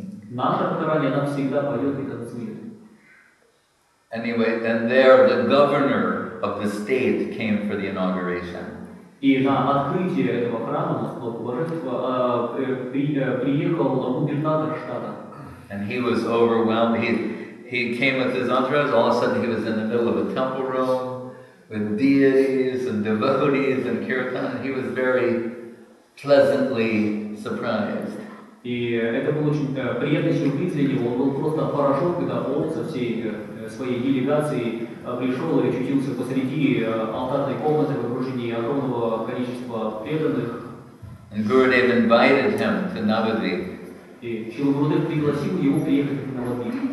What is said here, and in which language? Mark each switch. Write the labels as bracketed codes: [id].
[ru] Наша Радхарани, она всегда поет и танцует. [en] Anyway, then there the governor of the state came for the inauguration. [ru] И на открытие этого храма, Господь Божества, приехал губернатор штата. [en] And he was overwhelmed. He came with his entourage. All of a sudden, he was in the middle of a temple room with deities and devotees and kirtan. He was very pleasantly surprised. [ru] И это был очень приятный сюрприз для него. Он был просто поражен, когда он со всей своей делегацией пришел и очутился посреди алтарной комнаты в окружении огромного количества преданных. [en] And Gurudev invited him to Navadvip. [ru] И Шрила Гурудев пригласил его приехать в Навадвип.